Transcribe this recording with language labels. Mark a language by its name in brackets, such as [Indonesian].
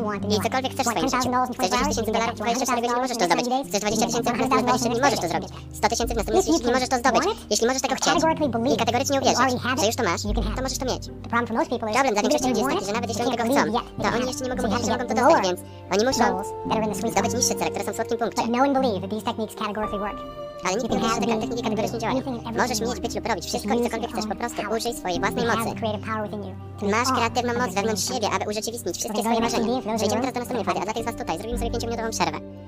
[Polish] I cokolwiek chcesz w swoim życiu. Chcesz 10 tysięcy dolarów w 24 godziny, możesz to zdobyć. Chcesz 20 tysięcy w 24 dni, możesz to zrobić. 100 tysięcy w następnym miesiącu, możesz to zdobyć. Jeśli możesz tego chcieć i kategorycznie uwierzyć, że już to masz, to możesz to mieć. Problem dla większości ludzi jest taki, że nawet jeśli oni tego chcą, to oni jeszcze nie mogą mówić, że mogą to dostać, więc oni muszą zdobyć niższe cele, które są w słodkim punkcie. [English] But no one believe that these techniques categorically work. [Polish] Ale nikt nie wie, że te techniki kategorycznie działają. Możesz mieć, być lub robić wszystko i cokolwiek chcesz, po prostu użyj swojej własnej mocy. Masz kreatywną moc wewnątrz siebie, aby urzeczywistnić wszystkie swoje marzenia. Przejdziemy teraz do następnej fazy, a dla tych z was tutaj zrobimy sobie 5-minutową przerwę.